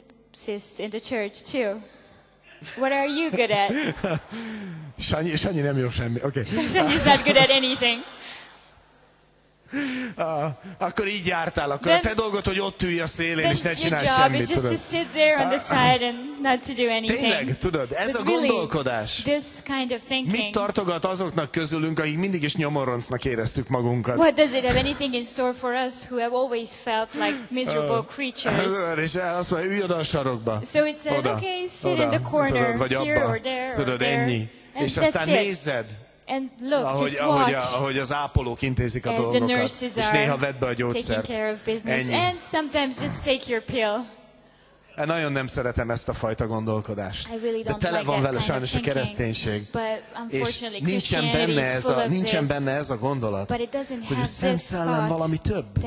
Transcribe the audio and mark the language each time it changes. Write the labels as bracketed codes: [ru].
[en] Physicist in the church too. What are you good at? [hu] Sanyi nem jó semmi. Okay. [en] Sanyi's not good at anything. [hu] Akkor így jártál, akkor then, a te dolgod, hogy ott ülj a szélén, és ne csinálj semmit, tudod. [en] Then your job is just to sit there on the side and not to do anything. [hu] Tényleg, tudod, ez [en] but [hu] a gondolkodás. [en] Really, this kind of thinking. [hu] Mit tartogat azoknak közülünk, akik mindig is nyomoroncnak éreztük magunkat? [en] What does it have anything in store for us who have always felt like miserable creatures? [hu] És azt mondja, ülj oda a sarokba. [en] So it's said, okay, sit oda, in the corner, [hu] tudod, vagy [en] here [hu] abba, [en] or there. [hu] Tudod, [en] there. [hu] Ennyi. [en] And [hu] és aztán nézed. [en] And look, [hu] ahogy, [en] just watch, [hu] ahogy az ápolók intézik a dolgokat, és néha vedd be a gyógyszert. [en] And sometimes just take your pill. [hu] Én nagyon nem szeretem ezt a fajta gondolkodást. [en] Really [hu] de tele van [en] like [hu] vele sajnos [en] thinking, [hu] a kereszténység. És nincsen benne ez a, nincsen this, benne ez a gondolat, hogy a Szent Szellem valami több.